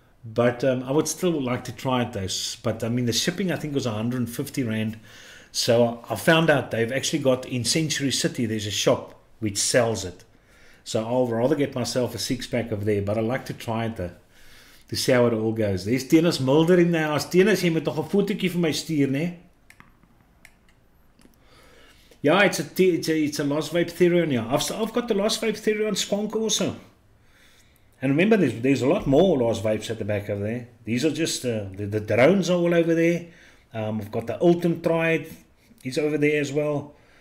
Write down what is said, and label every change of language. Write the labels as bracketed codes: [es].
[en] But I would still like to try it though. But I mean, the shipping I think was 150 Rand. So I found out they've actually got in Century City, there's a shop which sells it. So I'll rather get myself a six pack of there. But I'd like to try it though, to see how it all goes. There's Dennis Mulder in the house. [af] Dennis, jy moet nog 'n fotootjie vir my stuur, né? [en] Yeah, it's a Lost Vape Theory on here. I've got the Lost Vape Theory on Squonk also. And remember, there's a lot more Lost Vapes at the back of there. These are just the drones are all over there. I've got the Ultim Triad. He's over there as well.